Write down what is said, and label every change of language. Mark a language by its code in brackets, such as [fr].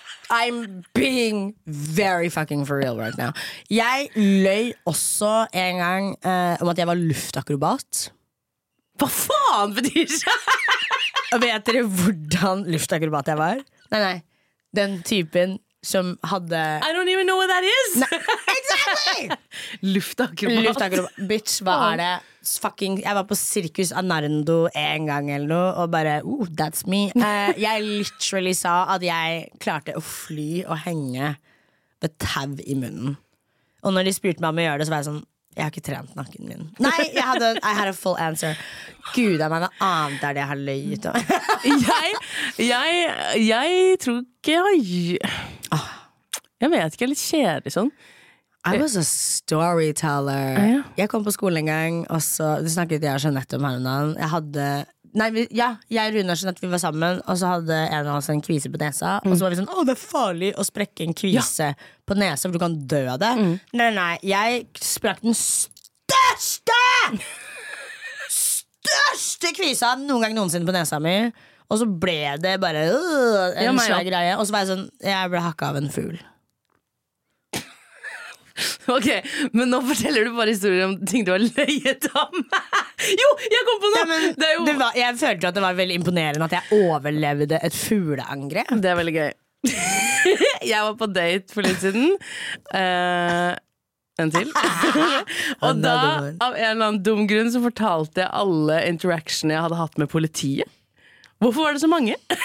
[en] I'm being very fucking for real right now. [no] Jeg løy også en gang om at jeg var luftakrobat. Hva faen betyr det? Vet dere hvordan luftakrobat jeg var? Nei, nei. Den typen som hadde... [en] I don't even know what that is. Nei. Exactly! [no] Luftakrobat. Luftakrobat. Bitch, hva det? Fucking, jeg var på Circus Arnardo en gang eller noe Og bare, [en] that's me [no] Jeg literally sa at jeg klarte å fly og henge Med tav I munnen Og når de spurte meg om å gjøre det Så var jeg sånn, jeg har ikke trent nakken min Nei, jeg hadde, [en] I had a full answer [no] Gud, jeg mener annet det jeg har løyet om Jeg tror ikke jeg vet ikke, jeg litt kjedelig sånn [en] I was a storyteller. [sv] Jag kom på skolan en gång och så det snackade jag Jeanette om henne. Jag hade nej ja, jag Rune och Jeanette vi var sammen och så hade en av oss en kvise på näsa och så var vi sån åh det är farligt att spräcka en kvise ja. På näsa för du kan dö av det. Mm. Nej nej, jag sprack den största största kvisan någon gång någonsin på näsan min och så blev det bara en svag ja, grej och så var jag sån jag blev hackad av en ful. [no] Ok, men nå forteller du bare historier om ting du har løyet om Jo, jeg kom på noe ja, men, det jo... det var, Jeg følte at det var veldig imponerende at jeg overlevde et fugleangrep Det veldig gøy Jeg var på date for litt siden En til Og da, av en eller annen dum grunn, så fortalte jeg alle interactionene jeg hadde hatt med politiet Hvorfor var det så mange?